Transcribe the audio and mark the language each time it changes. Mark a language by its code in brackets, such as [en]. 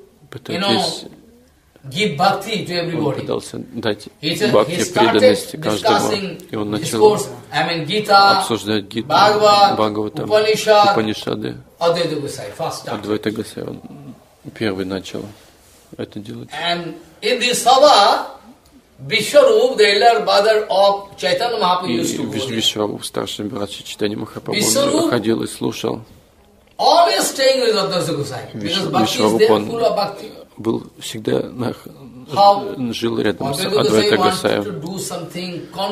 [ru] Пытайтесь... [en] Give bhakti to everybody. [ru] Он пытался дать бхакти преданность каждому, и он начал обсуждать гиту, Бхагавата, Упанишады. Адвайта Гасай, он первый начал это делать. [en] And in this sabha, Vishwarup, the elder brother of Chaitanya Mahaprabhu, used to go there. [ru] Vishwarup, старший брат Чайтанья Махапрабху, он ходил и слушал. [en] Always staying with Адвайта Гасай, because bhakti is there, full of bhakti. [ru] Был всегда жил рядом с Адвайта Гасаем.